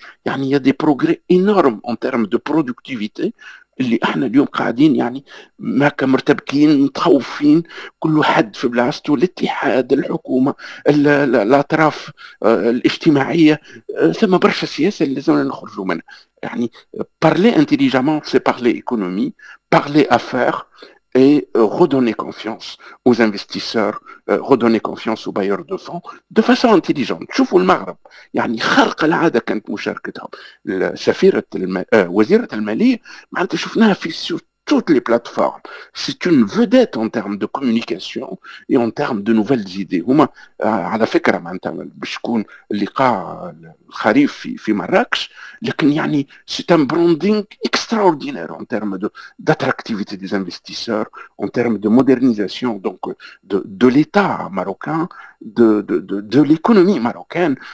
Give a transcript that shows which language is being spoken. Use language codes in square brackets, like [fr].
[ar] يعني [fr] يا دي بروغري انورم ان تيرم دو برودكتيفيتي [ar] اللي احنا اليوم قاعدين يعني ما كمرتبكين متخوفين، كل واحد في بلاسته، الاتحاد، الحكومة، الاطراف الاجتماعية، ثم برشا سياسة اللي لازمنا نخرجوا منها. [fr] يعني parler intelligemment c'est parler économie, parler affaires et redonner confiance aux investisseurs, redonner confiance aux bailleurs de fonds de façon intelligente. [ar] شوفوا المغرب، يعني خرق العادة كانت مشاركتهم السفيرة وزيرة المالية، معناتها شفناها في [fr] toutes les plateformes. C'est une vedette en termes de communication et en termes de nouvelles idées. [ar] هما على فكرة معناتها باش يكون اللقاء الخريف في مراكش، لكن يعني [fr] c'est un branding extraordinaire en termes d'attractivité des investisseurs, en termes de modernisation donc de l'État marocain, de l'économie marocaine.